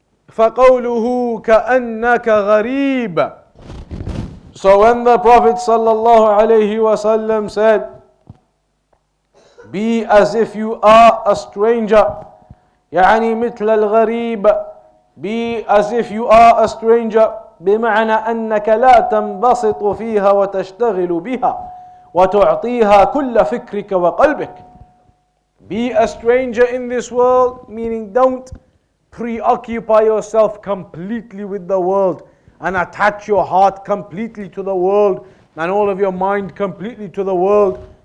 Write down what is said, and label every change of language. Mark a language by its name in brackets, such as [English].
[Arabic] فَقَوْلُهُ كَأَنَّكَ غَرِيبٌ. [English] So when the Prophet sallallahu alayhi wasallam said, be as if you are a stranger. [Arabic] يعني مثل الغريب. [English] Be as if you are a stranger. [Arabic] بمعنى أنك لا تنبسط فيها وتشتغل بها. وَتُعْطِيهَا كُلَّ فِكْرِكَ وَقَلْبِكَ. [English] Be a stranger in this world, meaning don't preoccupy yourself completely with the world and attach your heart completely to the world and all of your mind completely to the world.